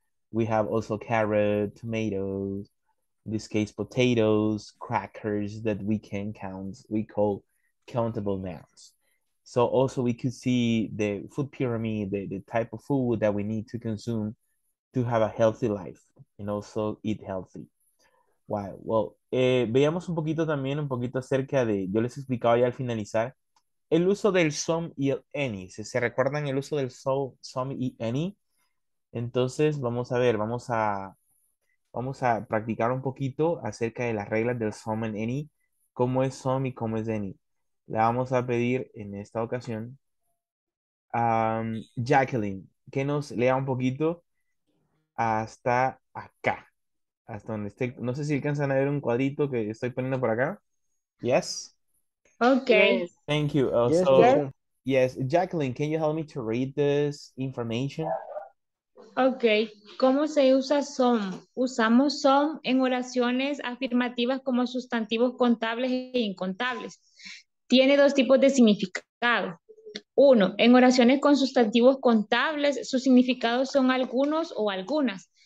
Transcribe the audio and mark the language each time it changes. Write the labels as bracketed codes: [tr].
[en] We have also carrot, tomatoes, in this case, potatoes, crackers that we can count. We call countable nouns. So also we could see the food pyramid, the type of food that we need to consume to have a healthy life and also eat healthy. Wow. [es] Well, veamos un poquito también, un poquito acerca de, yo les explicaba ya al finalizar, el uso del some y el any. ¿Se recuerdan el uso del some y any? Entonces, vamos a ver, vamos a practicar un poquito acerca de las reglas del some and any, cómo es some y cómo es any. Le vamos a pedir en esta ocasión a Jacqueline que nos lea un poquito hasta acá, hasta donde esté. No sé si alcanzan a ver un cuadrito que estoy poniendo por acá. [en] Yes. Okay. Thank you. Also, yes, Jacqueline, can you help me to read this information? [es] Okay, ¿cómo se usa some? Usamos some en oraciones afirmativas como sustantivos contables e incontables. Tiene dos tipos de significado. Uno, en oraciones con sustantivos contables, sus significados son algunos o algunas.